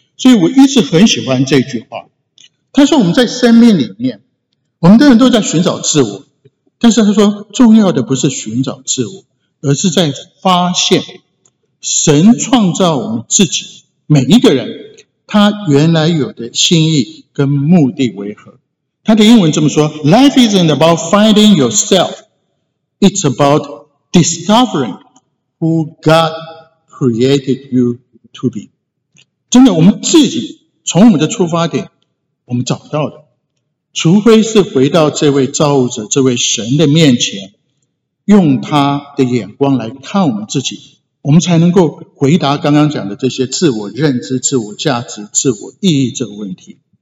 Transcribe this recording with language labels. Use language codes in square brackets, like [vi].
[zh] 所以我一直很喜欢这句话，他说我们在生命里面，我们的人都在寻找自我，但是他说重要的不是寻找自我，而是在发现神创造我们自己每一个人他原来有的心意跟目的为何。他的英文这么说， [en] Life isn't about finding yourself, it's about discovering who God created you to be。 [zh] 真的，我们自己从我们的出发点我们找到的，除非是回到这位造物者、这位神的面前，用他的眼光来看我们自己，我们才能够回答刚刚讲的这些自我认知、自我价值、自我意义这个问题。